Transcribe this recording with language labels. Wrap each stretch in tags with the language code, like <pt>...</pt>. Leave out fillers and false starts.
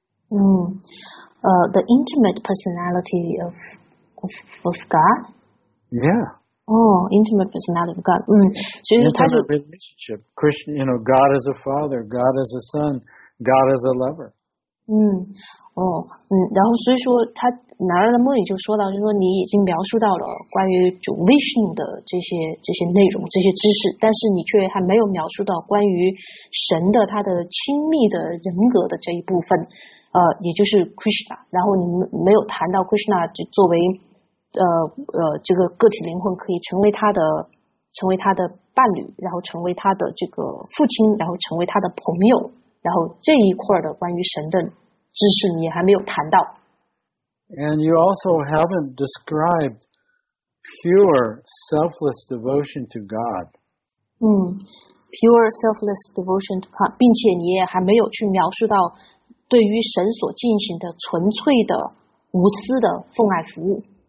<en>The intimate personality of God? Yeah. Oh, intimate personality of God. Mm. So intimate relationship. Krishna, you know, God as a father, God as a son, God as a lover.</en> <zh>然后所以说他拿来的梦里就说到，就是说你已经描述到了关于就 Vishnu 的这些内容、这些知识，但是你却还没有描述到关于神的他的亲密的人格的这一部分，也就是 Krishna, 然后你没有谈到 Krishna 就作为这个个体灵魂可以成为他的伴侣，然后成为他的这个父亲，然后成为他的朋友，然后这一块的关于神的知识你还没有谈到。</zh> <en>And you also haven't described pure selfless devotion to God. Pure selfless devotion to God,</en> <zh>并且你也还没有去描述到对于神所进行的纯粹的无私的奉爱服务。</zh>